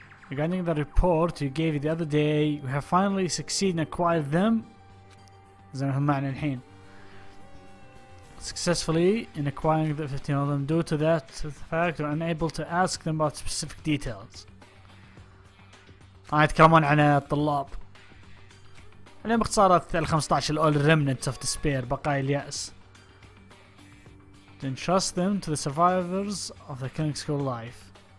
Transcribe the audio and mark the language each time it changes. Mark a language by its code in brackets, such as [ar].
[en] Regarding the report you gave the other day, we have finally succeeded in acquiring them. [ar] زين هم معنا الحين. [en] Successfully in acquiring the 15 of them. Due to that fact, we're unable to ask them about specific details. [ar] هاي يتكلمون عن الطلاب. الين باختصار ال 15 الاول [en] remnant of despair [ar] بقايا الياس. [en] Then trust them to the survivors of the killing school life.